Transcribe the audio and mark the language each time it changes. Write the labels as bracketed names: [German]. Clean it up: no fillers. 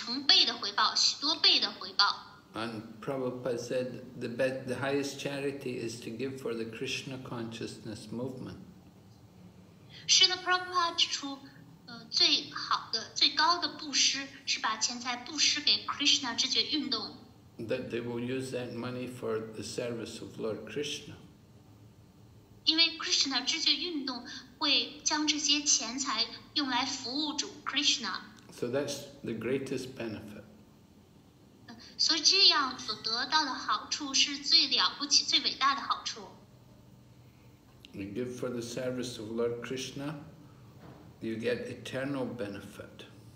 [Chinese] 而您把钱财布施给优秀的奉献者，那么您得到的回报是，成倍的回报，许多倍的回报。 [English] And Prabhupada said the highest charity is to give for the Krishna consciousness movement. [Chinese] 是的，Prabhupada指出，最好的、最高的布施是把钱财布施给Krishna知觉运动。 [English] That they will use that money for the service of Lord Krishna. [Chinese] 因为Krishna知觉运动会将这些钱财用来服务主Krishna。 [English] So that's the greatest benefit. [Chinese] 所以这样所得到的好处是最了不起、最伟大的好处。 [English] You give for the service of Lord Krishna, you get eternal benefit.